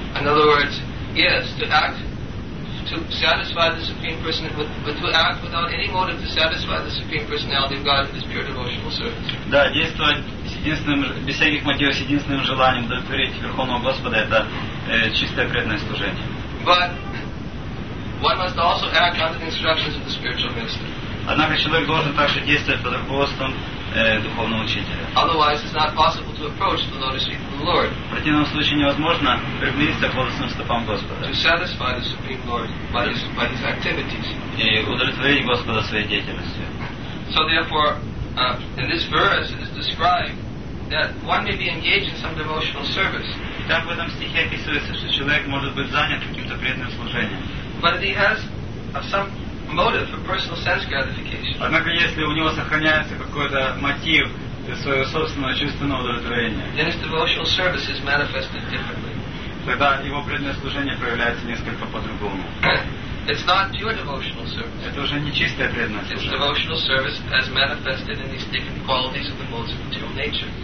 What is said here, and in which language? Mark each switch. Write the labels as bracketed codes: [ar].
[en] In other words, yes, to act to satisfy the Supreme Person, but to act without any motive to satisfy the Supreme Personality of God is pure devotional service. [ru] Да, действовать с единственным, без всяких мотивов, с единственным желанием удовлетворить Верховного Господа — это чистое преданное служение. [en] But one must also act under the instructions of the spiritual master. [ru] Однако человек должен также действовать под руководством духовного учителя. [en] Otherwise, it's not possible to approach the lotus feet of the Lord. [ru] В противном случае невозможно приблизиться к лотосным стопам Господа. [en] To satisfy the Supreme Lord by his activities. [ru] И удовлетворить Господа своей деятельностью. [en] So therefore, in this verse it is described that one may be engaged in some devotional service. [ru] так в этом стихе описывается, что человек может быть занят каким-то преданным служением. [en] But he has some motive for personal sense gratification. [ru] Однако если у него сохраняется какой-то мотив для своего собственного чувственного удовлетворения, [en] then his devotional service is manifested differently. [ru] Тогда его преданное служение проявляется несколько по-другому. [en] It's not pure devotional service. [ru] Это уже не чистое преданное служение. [en] It's devotional service as manifested in these different qualities of the modes of material nature.